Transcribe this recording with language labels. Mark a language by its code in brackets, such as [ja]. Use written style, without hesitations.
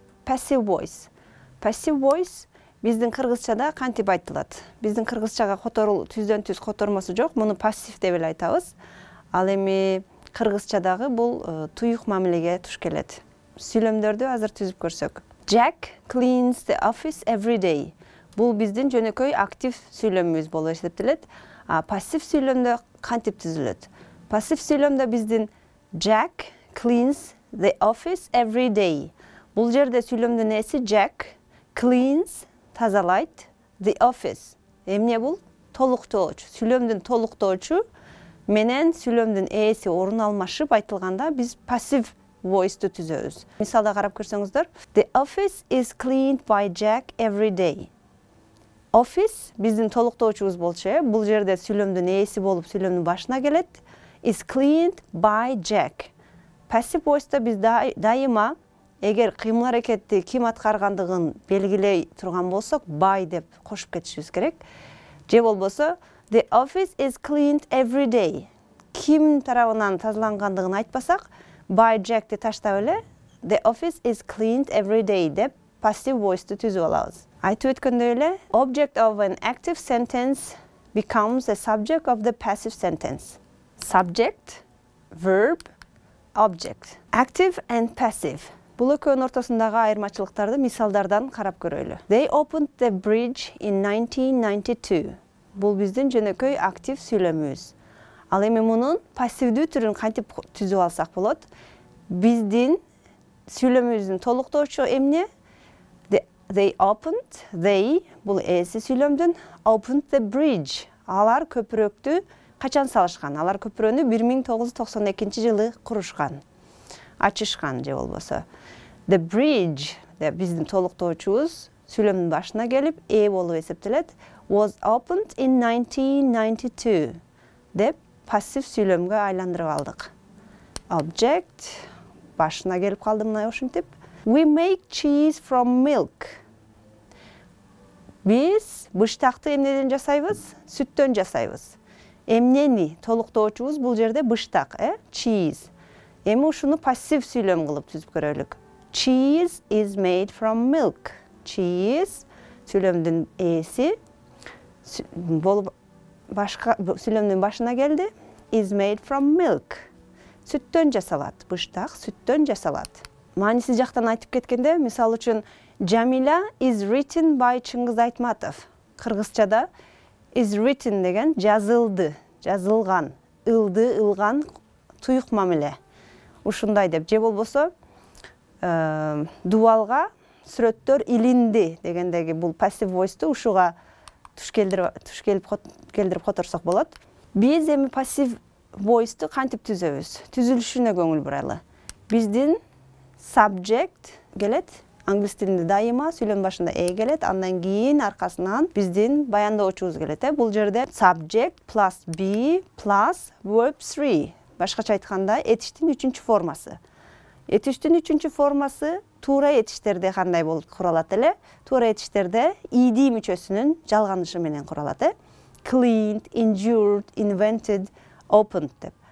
[ky] Пассив Voise. Пассив Voise биздин кыргызчада кантип айтылат? Биздин кыргызчага түздөн-түз котормосу жок. Муну пассив деп эле айтабыз. Ал эми кыргызчадагы бул туюк мамилеге туш келет. Сүйлөмдөрдү азыр түзүп көрсөк. [en] Jack cleans the office every day. [ky] Бул биздин жөнөкөй актив сүйлөмүбүз болуп эсептелет. А пассив сүйлөмдө кантип түзүлөт? Пассив сүйлөмдө биздин [en] Jack cleans the office every day. [ky] Бул жерде сүйлөмдүн нээси Jack cleans тазалайт [en] the office. [ky] Эмне бул? Толуктоочу. Сүйлөмдүн толуктоочу менен сүйлөмдүн ээси орун алмашып айтылганда биз пассив Voise түзөбүз. Мисалда карап көрсөңүздөр, [en] the office is cleaned by Jack every day. [ky] Office биздин толуктоочубуз болчу, бул жерде сүйлөмдүн ээси болуп сүйлөмдүн башына келет. [en] Is cleaned by Jack. [ky] Passive voice-то биз дайыма эгер кыймыл аракетти ким аткаргандыгын белгилей турган болсок, by деп кошуп кетишибиз керек. Же болбосо [en] the office is cleaned every day. [ky] Ким тарабынан тазалангандыгын айтпасак, by Jack-ти таштап эле [en] the office is cleaned every day [ky] деп passive voice-ту түзүп алабыз. Айтып өткөндөй эле [en] object of an active sentence becomes the subject of the passive sentence. Subject, verb, object. Active and passive. [ky] Бул экөөнүн ортосундагы айырмачылыктарды мисалдардан карап көрөлү. [en] They opened the bridge in 1992. [ky] Бул биздин жөнөкөй актив сүйлөмүбүз. Ал эми мунун пассивдүү түрүн кантип түзүп алсак болот? Биздин сүйлөмүбүздүн толуктоочу эмне? [en] They opened, they, [ky] бул ээси сүйлөмдүн, [en] opened the bridge. [ky] Алар көпүрөктү качан салышкан? Алар көпүрөнү 1992 жылы курушкан, ачышкан же болбосо. [en] The bridge, [ky] деп биздин толуктоочубуз сүйлөмдүн башына келип, ээ болуп эсептелет. [en] Was opened in 1992, [ky] деп пассив сүйлөмгө айландырып алдык. Object, башына келип калды мына ушинтип. [en] We make cheese from milk. [ky] Биз быштакты эмнеден жасайбыз? Сүттөн жасайбыз. Эмнени толуктоочубуз бул жерде быштак, э? Cheese. Эми ушуну пассив сүйлөм кылып түзүп көрөлүк. [en] Cheese is made from milk. [ky] Cheese сүйлөмдүн ээси болуп башка сүйлөмдүн башына келди. [en] Is made from milk. [ky] Сүттөн жасалат. Быштак сүттөн жасалат. Мааниси жактан айтып кеткенде, мисалы үчүн Jamila [en] is written by [ky] Чыңгыз Айтматов. Кыргызчада is written деген жазылды, жазылган, ылды, ылган туюк мамиле. Ушундай деп, же болбосо, дубалга сүрөттөр илинди дегендеги бул пассив voice-ту ушуга туш келдирип которсок болот. Биз эми пассив voice-ту кантип түзөбүз? Түзүлүшүнө көңүл бурайлы. Биздин subject келет. Англис тилинде дайыма сүйлөм башында ээ келет, андан кийин аркасынан биздин баяндоочубуз келет, э? Бул жерде [en] subject plus be plus verb 3. [ky] Башкача айтканда этиштин 3-чү формасы. Этиштин 3-чү формасы туура этиштерде кандай болуп куралат эле? Туура этиштерде ed мүчөсүнүн жалганышы менен куралат, э? [en] Cleaned, injured, invented, opened деп.